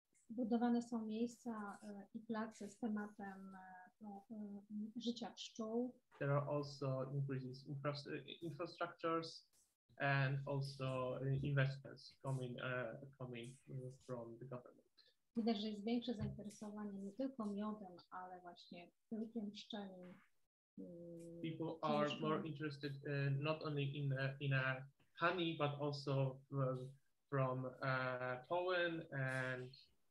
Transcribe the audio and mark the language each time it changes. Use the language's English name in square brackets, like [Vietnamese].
[Polish] Budowane są miejsca i place z tematem życia pszczół. [English] There are also increases in infrastructures and also investments coming from the government. [Polish] Widać, że jest większe zainteresowanie nie tylko miodem, ale właśnie pyłkiem pszczelim. [English] People are more interested not only in honey, but also from pollen and